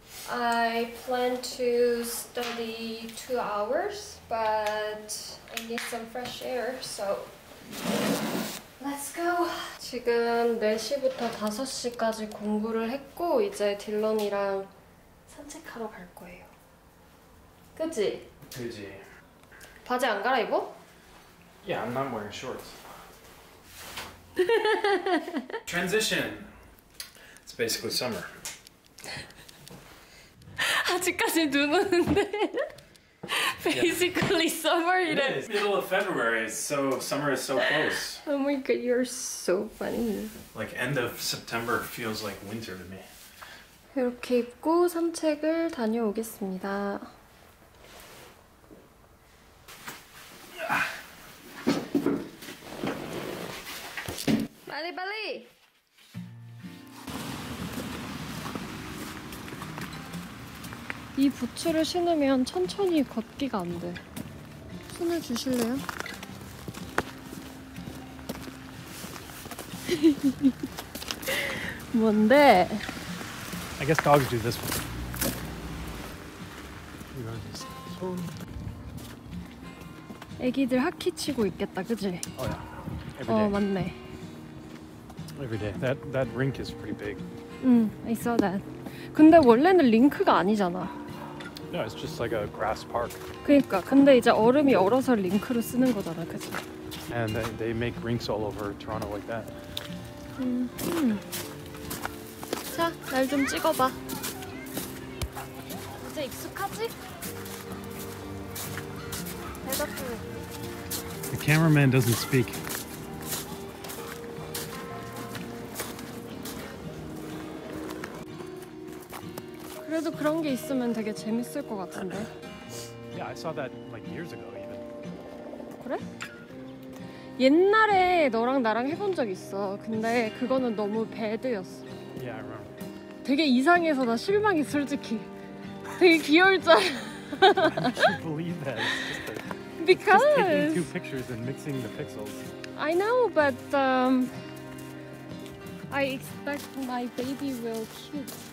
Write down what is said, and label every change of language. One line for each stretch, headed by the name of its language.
English: I plan to study 2 hours, but I need some fresh air, so let's go.
Korean: 지금 4시부터 5시까지 공부를 했고 이제 딜런이랑 산책하러 갈 거예요. 그치? 그치. 바지 안 갈아입어?
English: Yeah, I'm not wearing shorts. Transition. It's basically summer.
Korean: 아직까지 눈 오는데
English: basically yeah. summer. It is middle of February, so summer is so close. Oh my god, you're so funny. Like end of September feels like winter to me.
Korean: 이렇게 입고 산책을 다녀오겠습니다. 빨리 빨리. 이 부츠를 신으면 천천히 걷기가 안 돼. 손을 주실래요? 뭔데?
English: I guess dogs do this one.
Korean: 이런 손. 애기들 하키 치고 있겠다, 그지?
English: Oh yeah.
Korean: 어, 맞네.
English: Every day. That rink is pretty big. 응, I saw that.
Korean: 근데 원래는 링크가 아니잖아.
English: No, it's just like a grass park.
Korean: 그러니까 근데 이제 얼음이 얼어서 링크로 쓰는 거잖아, 그치?
English: And they make rinks all over Toronto like that.
Korean: 자, 날 좀 찍어봐. 이제 익숙하지? 대답해.
English: The cameraman doesn't speak.
Korean: 그래도 그런 게 있으면 되게 재밌을 것 같은데.
English: Yeah, I saw that like years ago even.
Korean: 그래? 옛날에 너랑 나랑 해본 적 있어. 근데 그거는 너무 배드였어.
English: Yeah, I remember.
Korean: 되게 이상해서 나 실망해 솔직히. 되게 귀여울 줄 알아.
English: I can't believe that. Because just taking two pictures and mixing the pixels. I know, but I expect my baby will cute.